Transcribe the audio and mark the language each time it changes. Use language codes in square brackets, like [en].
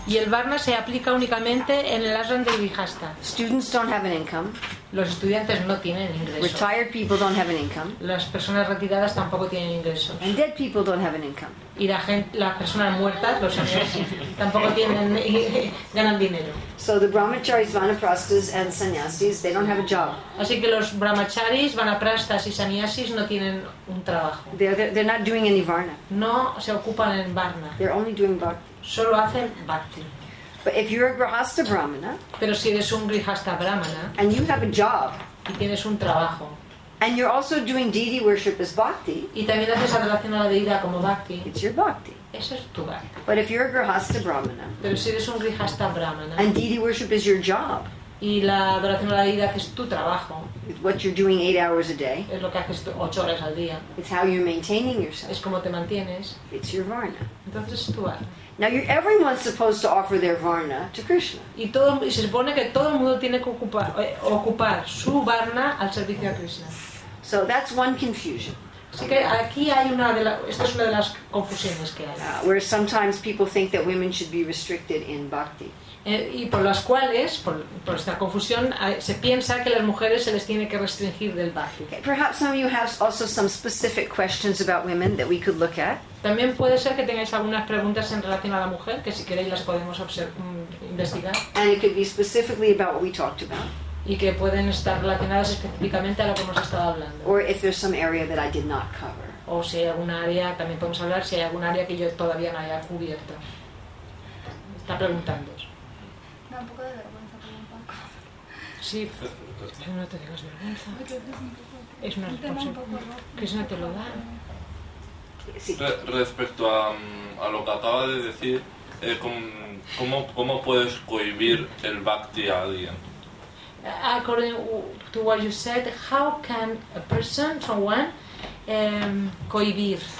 [es] Y el varna se aplica únicamente en el ashram de grihastha. [en] Students don't have an income. [es] Los estudiantes no tienen ingresos. [en] Retired people don't have an income. [es] Las personas retiradas tampoco tienen ingresos. [en] And dead people don't have an income. [es] Y las personas muertas, los ancianos, tampoco ganan dinero. [en] So the brahmacharis, vanaprastas, and sannyasis, they don't have a job. [es] Así que los brahmacharis, vanaprastas y sannyasis no tienen un trabajo. [en] They're not doing any varna. [es] No se ocupan en varna. [en] They're only doing bhakti. [es] Solo hacen bhakti. [en] But if you're a grihastha brahmana, [es] pero si eres un grihastha brahmana, [en] and you have a job, [es] y tienes un trabajo, [en] and you're also doing deity worship as bhakti, [es] y también haces adoración a la deidad como bhakti, [en] it's your bhakti. [es] Eso es tu bhakti. [en] But if you're a grihastha brahmana, [es] pero si eres un grihastha brahmana, [en] and deity worship is your job, [es] y la adoración a la deidad es tu trabajo, [en] what you're doing 8 hours a day, [es] es lo que haces 8 horas al día, [en] it's how you're maintaining yourself, [es] es como te mantienes, [en] it's your varna. [es] Entonces es tu varna. [en] Now everyone's supposed to offer their varna to Krishna. [es] Y se supone que todo el mundo tiene que ocupar su varna al servicio de Krishna. [en] So that's one confusion. [es] Así que aquí hay esta es una de las confusiones que hay. [en] Where sometimes people think that women should be restricted in bhakti. [es] Y por las cuales, por esta confusión, se piensa que las mujeres se les tiene que restringir del bhakti. [en] Perhaps some of you have also some specific questions about women that we could look at. [es] También puede ser que tengáis algunas preguntas en relación a la mujer, que si queréis las podemos investigar. [en] And it could be specifically about what we talked about. [es] Y que pueden estar relacionadas específicamente a lo que hemos estado hablando. [en] Or if there's some area that I did not cover. [es] O si hay alguna área, también podemos hablar si hay alguna área que yo todavía no haya cubierto. Está preguntando. Da un poco de vergüenza por un poco. Sí, no te digas vergüenza. Es una responsabilidad. Que si no te lo da. Sí. Respecto a lo que acaba de decir, ¿cómo puedes cohibir el bhakti a alguien? [en] According to what you said, how can a person, someone, cohibir?